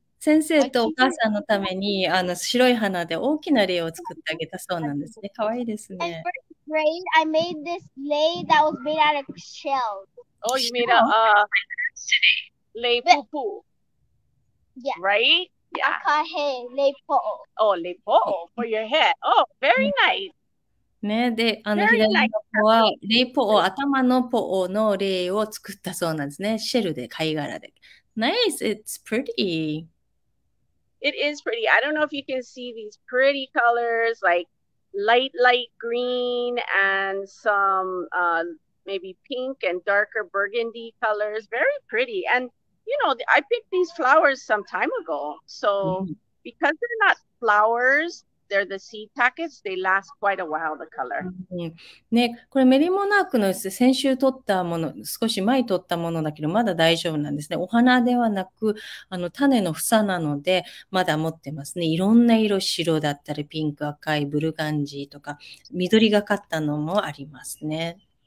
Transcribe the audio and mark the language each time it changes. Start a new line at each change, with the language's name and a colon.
Japanese: 先生とお母さんのために白い花で大きな礼を作ってあげたそうなんですね。かわいいですね。
English: Grade, I made this lei that was made out of shells. Oh, you made a lei poo-poo. Yeah. Right? Yeah. Akahe, lei po'o. Oh, lei po'o for your head. Oh, very nice.
Japanese: ね、で、左の子は、レイポー、頭のポーのレイを作ったそうなんですね。シェルで、貝殻で。
English: Nice! It's pretty! It is pretty. I don't know if you can see these pretty colors, like light, light green and some、maybe pink and darker burgundy colors. Very pretty. And, you know, I picked these flowers some time ago. So, because they're not flowers,They're the seed packets. They last quite a while, the color.
Japanese: ね、これメリーモナークの先週撮ったもの、少し前撮ったものだけど、まだ大丈夫なんですね。お花ではなく、種の房なので、まだ持ってますね。いろんな色、白だったり、ピンク、赤い、ブルガンジーとか、緑がかったのもありますね。